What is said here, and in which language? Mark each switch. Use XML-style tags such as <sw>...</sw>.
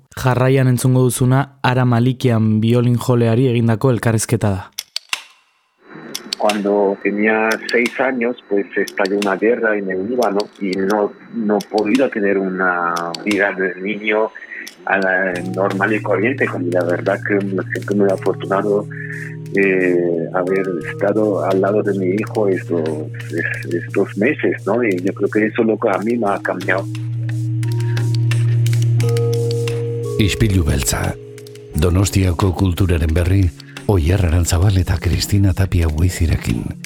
<eu>Jarraian entzungo duzuna Ara Malikian biolin joleari egindako elkarrizketa da.</eu> <es>Cuando tenía 6 años, pues estalló una guerra en el Líbano y no podía tener una vida de niño a la normal y corriente. Y la verdad que me siento muy afortunado haber estado al lado de mi hijo estos meses, ¿no? Y yo creo que eso es lo que a mí me ha cambiado.</es> <eu>Ispilu Beltza, Donostiako kulturaren berri, Oier Arantzabal eta Kristina Tapia Buizirekin.</eu>